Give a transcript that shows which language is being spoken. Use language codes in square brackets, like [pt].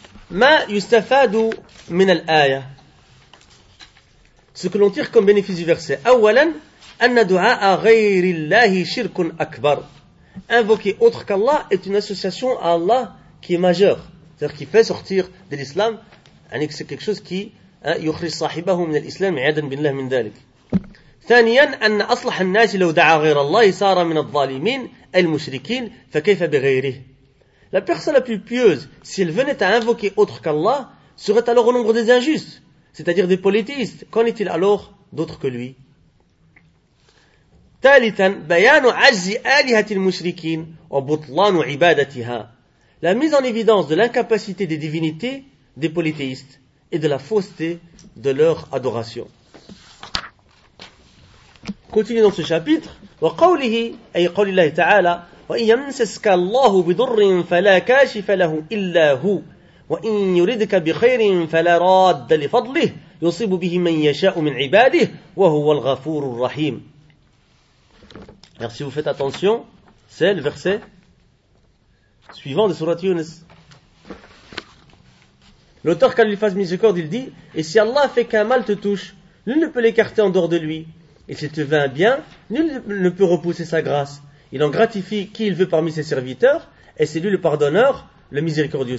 [ar] Ma yustafadu min al-aya, [fr] ce que l'on tire comme bénéfice du verset, [ar] awalan anna du'a'a ghayrillah shirkun akbar. [fr] Invoquer autre qu'Allah est une association à Allah qui est majeure, c'est-à-dire qui fait sortir de l'islam, c'est quelque chose qui [ar] yukhrij sahibahu min al-islam iyadan billah min dalik. ثانيا ان اصلح الناس لو دعا غير الله صار من الظالمين المشركين فكيف بغيره. [fr] La personne la plus pieuse, si elle venait à invoquer autre qu'Allah, serait alors au nombre des injustes, c'est-à-dire des polythéistes. Qu'en est-il alors d'autre que lui? [ar] ثالثا بيان عجز آلهة المشركين وبطلان عبادتها. [fr] La mise en évidence de l'incapacité des divinités des polythéistes et de la fausseté de leur adoration. Continuons dans ce chapitre. [ar] وقوله أي قول الله تعالى وإن يمسسك الله بضر فلا كاشف له إلا هو وإن يردك بخير فلا راد لفضله يصيب به من يشاء من عباده وهو الغفور الرحيم. [fr] Alors si vous faites attention, c'est le verset suivant de Sourate Younes. L'auteur qu'Allah lui fasse miséricorde, il dit, et si Allah fait qu'un mal te touche, nul ne peut l'écarter en dehors de lui. Et si tu veux un bien, nul ne peut repousser sa grâce. Il en gratifie qui il veut parmi ses serviteurs, et c'est lui le pardonneur, le miséricordieux.